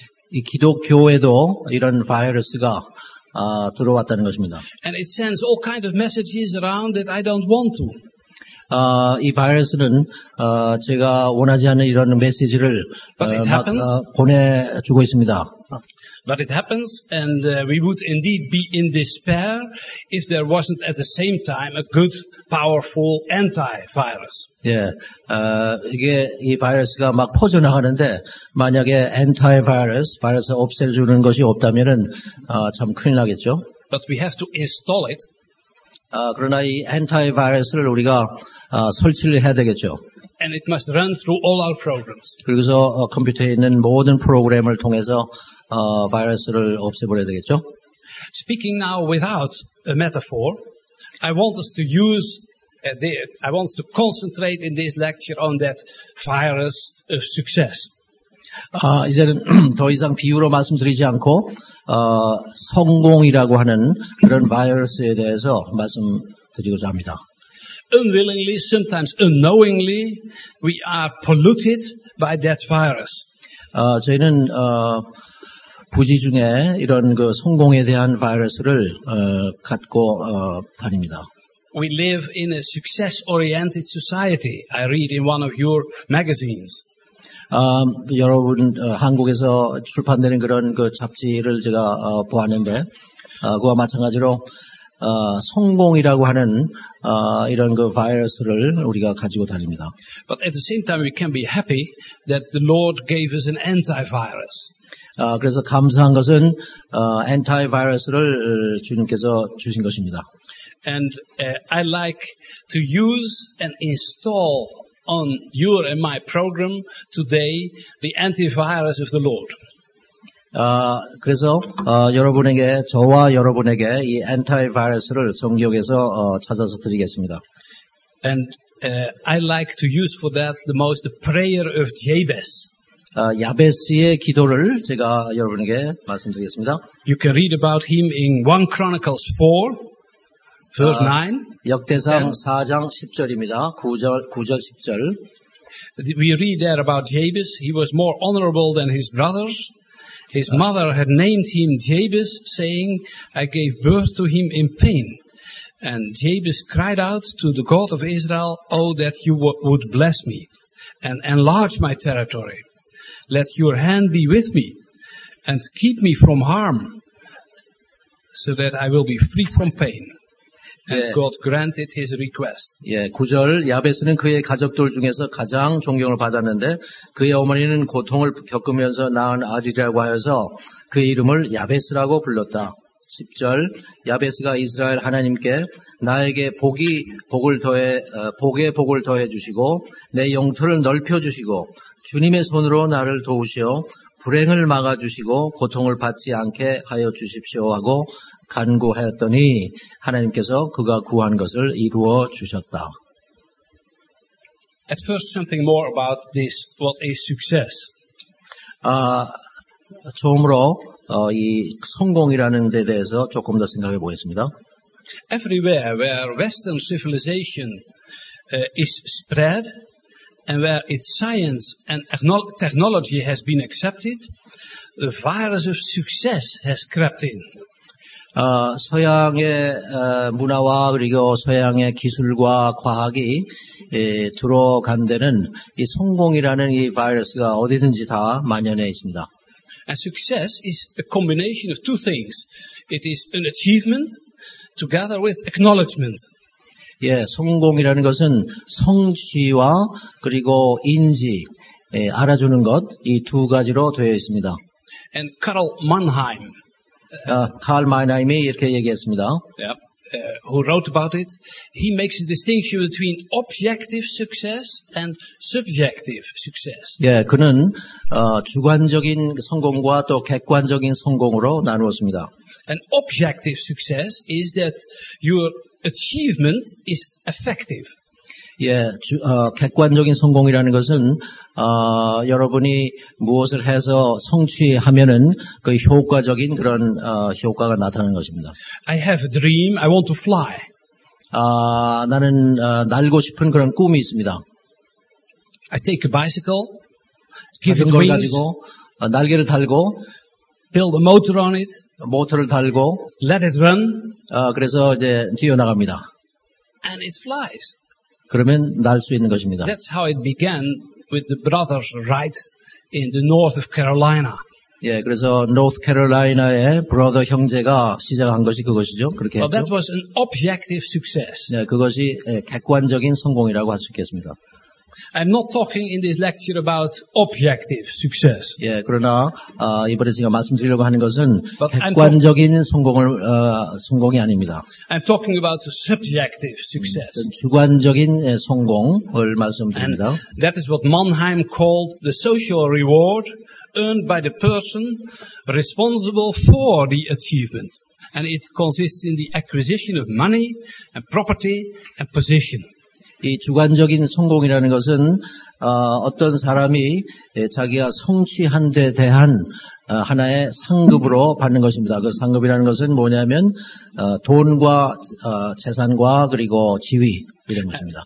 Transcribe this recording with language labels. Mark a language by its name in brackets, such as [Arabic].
[Korean] 이 기독교에도 이런 바이러스가 들어왔다는 것입니다. [English] And it sends all kinds of messages around that I don't want to. [Korean] 이 바이러스는 제가 원하지 않는 이런 메시지를 보내주고 있습니다. [English] But it happens, and we would indeed be in despair if there wasn't at the same time a good, powerful anti-virus. [Korean] 예, 이게 이 바이러스가 막 퍼져나가는데 만약에 anti-virus, 바이러스 없애주는 것이 없다면은 참 큰일 나겠죠. [English] But we have to install it. [Korean] 그러나 이 엔타이바이러스를 우리가 설치를 해야 되겠죠. [English] And it must run through all our programs. [Korean] 그래서 컴퓨터에 있는 모든 프로그램을 통해서 바이러스를 없애버려야 되겠죠. [English] Speaking now without a metaphor, I want us to use I want us to concentrate in this lecture on that virus of success. [Korean] 이제는 더 이상 비유로 말씀드리지 않고 성공이라고 하는 그런 바이러스에 대해서 말씀드리고자 합니다. [English] Unwillingly, sometimes unknowingly, we are polluted by that virus. [Korean] 저희는 부지 중에 이런 그 성공에 대한 바이러스를 갖고 다닙니다. [English] We live in a success-oriented society. I read in one of your magazines. [Korean] 여러분 한국에서 출판되는 그런 그 잡지를 제가 보았는데 그와 마찬가지로 성공이라고 하는 이런 그 바이러스를 우리가 가지고 다닙니다. [English] But at the same time, we can be happy that the Lord gave us an anti-virus. [Korean] 그래서 감사한 것은 anti-virus를 주님께서 주신 것입니다. [English] And I like to use and install. On your and my program today, the antivirus of the Lord. [Korean] 그래서 여러분에게 저와 여러분에게 이 antivirus를 성경에서 찾아서 드리겠습니다. [English] And I like to use for that the most prayer of Jabez. [Korean] 야베스의 기도를 제가 여러분에게 말씀드리겠습니다. [English] You can read about him in 1 Chronicles 4. Verse 9. [Korean] 역대상 4장 10절입니다. 9절 10절. [English] We read there about Jabez. He was more honorable than his brothers. His mother had named him Jabez, saying, I gave birth to him in pain. And Jabez cried out to the God of Israel, Oh, that you would bless me and enlarge my territory. Let your hand be with me and keep me from harm so that I will be free from pain. And God granted his request. [Korean] 예, 9절 야베스는 그의 가족들 중에서 가장 존경을 받았는데 그의 어머니는 고통을 겪으면서 낳은 아들이라고 하여서 그의 이름을 야베스라고 불렀다. 10절 야베스가 이스라엘 하나님께 나에게 복의 복을 더해 주시고 내 영토를 넓혀 주시고 주님의 손으로 나를 도우시어 불행을 막아 주시고 고통을 받지 않게 하여 주십시오 하고 간구하였더니 하나님께서 그가 구한 것을 이루어 주셨다. [English] At first, something more about this. What is success? [Korean] 처음으로 이 성공이라는 데 대해서 조금 더 생각해 보겠습니다. [English] Everywhere where Western civilization is spread and where its science and technology has been accepted, the virus of success has crept in. [Korean] 서양의 문화와 그리고 서양의 기술과 과학이 들어간 데는 이 성공이라는 이 바이러스가 어디든지 다 만연해 있습니다. [English] And success is a combination of two things. It is an achievement together with acknowledgement. [Korean] 예, 성공이라는 것은 성취와 그리고 인지, 알아주는 것 이 두 가지로 되어 있습니다. [English] And Karl Mannheim. [Korean] 칼 마이너임이 이렇게 얘기했습니다. [English] Yep. Who wrote about it? He makes a distinction between objective success and subjective success. [Korean] 예, 그는 주관적인 성공과 또 객관적인 성공으로 나누었습니다. [English] An objective success is that your achievement is effective. [Korean] 예, 객관적인 성공이라는 것은 여러분이 무엇을 해서 성취하면은 그 효과적인 그런 효과가 나타나는 것입니다. [English] I have a dream. I want to fly. [Korean] 나는 날고 싶은 그런 꿈이 있습니다. [English] I take a bicycle. [Korean] 자전거를 가지고 날개를 달고 [English] build a motor on it. [Korean] 모터를 달고 [English] let it run. [Korean] 그래서 이제 뛰어나갑니다. [English] And it flies. [Korean] 그러면 날 수 있는 것입니다. [English] That's how it began with the brothers right in the north of Carolina. [Korean] 예, 그래서 North Carolina의 브라더 형제가 시작한 것이 그것이죠. 그렇게 했죠. [English] Well, that was an objective success. [Korean] 네, 그것이 객관적인 성공이라고 할 수 있겠습니다. [English] I'm not talking in this lecture about objective success. [Korean] 예, 그러나 이번에 제가 말씀드리려고 하는 것은 객관적인 성공을 성공이 아닙니다. [English] I'm talking about subjective success. [Korean] 주관적인 성공을 말씀드립니다. [English] And that is what Mannheim called the social reward earned by the person responsible for the achievement. And it consists in the acquisition of money and property and position. [Korean] 이 주관적인 성공이라는 것은 어떤 사람이 자기가 성취한 데 대한 하나의 상급으로 받는 것입니다. 그 상급이라는 것은 뭐냐면 돈과 재산과 그리고 지위 이런 것입니다.